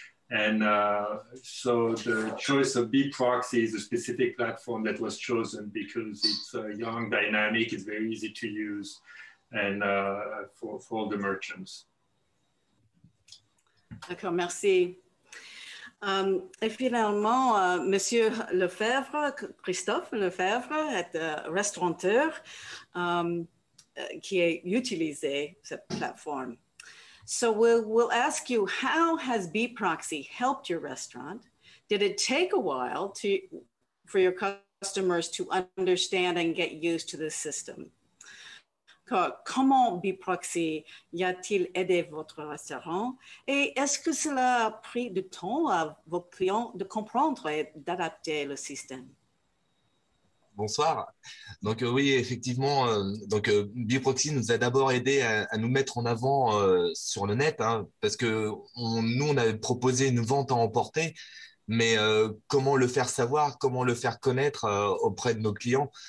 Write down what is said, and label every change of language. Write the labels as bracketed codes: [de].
[en] And so the choice of Bproxy is a specific platform that was chosen because it's young, dynamic, it's very easy to use, and for all the merchants. [fr] D'accord, merci. Et finalement, Monsieur Lefèbvre, Christophe Lefèbvre, est restaurateur qui a utilisé cette plateforme. [en] So we'll ask you, how has Bproxy helped your restaurant? Did it take a while for your customers to understand and get used to the system? [fr] comment Biproxy y a-t-il aidé votre restaurant et est-ce que cela a pris du temps à vos clients de comprendre et d'adapter le système? Bonsoir. Donc oui, effectivement, donc Biproxy nous a d'abord aidé à nous mettre en avant sur le net, hein, parce que nous on avait proposé une vente à emporter, mais comment le faire savoir, comment le faire connaître auprès de nos clients.